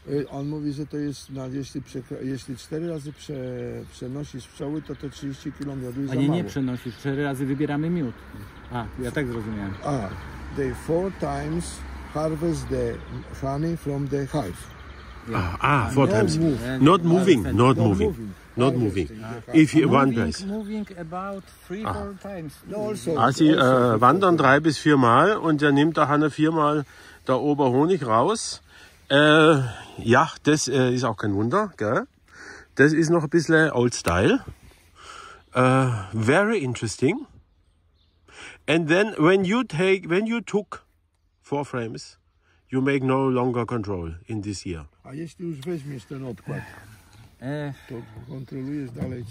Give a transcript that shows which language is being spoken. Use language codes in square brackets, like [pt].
[pl] On mówi, że to jest, jeśli 4 razy przenosisz pszczoły, to te 30 kilo miodu jest za mało. A nie przenosisz, 4 razy wybieramy miód. Ja tak zrozumiałem. [en] They 4 times harvest the honey from the hive. Yeah. Four times. Not moving. If you wanders. Moving about 3-4 times. [de] No, also. Also, sie wandern 3-4 Mal und er nimmt da Hanne 4 Mal der Oberhonig raus. Ja, das ist auch kein Wunder, gell? Das ist noch ein bisschen old style. [en] Very interesting. And then when you took 4 frames, you make no longer control in this year. [pl] A jeśli już weźmiesz ten odkład, to kontrolujesz dalej.